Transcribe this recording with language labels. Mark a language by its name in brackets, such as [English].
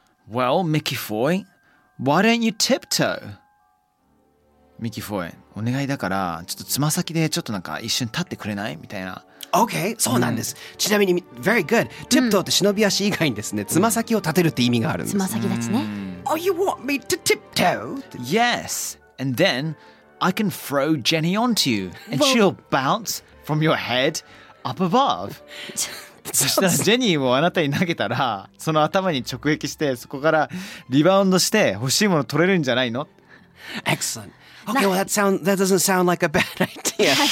[English] Well, Mickey Foy, why don't you tiptoe? [Japanese] Mickey Foy, お願いだから、ちょっとつま先でちょっとなんか一瞬立ってくれないみたいな。 OK, そうなんです。ちなみに、 [English] very good. [Japanese] Tiptoe って忍び足以外にですね、つま先を立てるって意味があるんです。つま先立ちね。 [English] Oh, you want me to tiptoe? Yes, and then I can throw Jenny onto you, and she'll bounce from your head. Up above. [Japanese] そしたらジェニーをあなたに投げたらその頭に直撃してそこからリバウンドして欲しいもの取れるんじゃないの。 [English] Excellent. Okay, well that, sound, that doesn't sound like a bad idea.